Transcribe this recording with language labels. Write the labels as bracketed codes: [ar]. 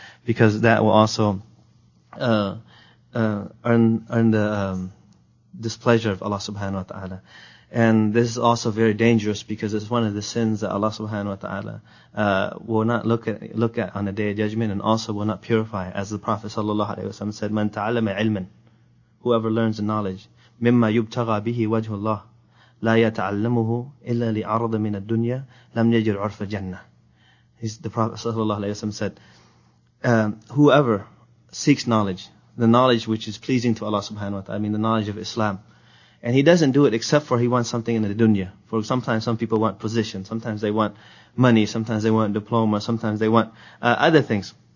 [en] Because that will also earn the displeasure of Allah subhanahu wa ta'ala. And this is also very dangerous because it's one of the sins that Allah subhanahu wa ta'ala will not look at on the Day of Judgment and also will not purify. As the Prophet sallallahu alayhi wa sallam said, [ar] مَنْ تَعَلَّمَ عِلْمًا, [en] whoever learns the knowledge, [ar] مِمَّا يُبْتَغَى بِهِ وَجْهُ اللَّهِ لَا يَتَعَلَّمُهُ إِلَّا لِعَرَضَ مِنَ الدُّنْيَا لَمْ يَجِرْ عُرْفَ جَنَّةِ. [en] The Prophet sallallahu alayhi wa sallam said, whoever seeks knowledge, the knowledge which is pleasing to Allah subhanahu wa ta'ala, I mean the knowledge of Islam, and he doesn't do it except for he wants something in the dunya. For sometimes some people want position, sometimes they want money, sometimes they want diploma, sometimes they want other things.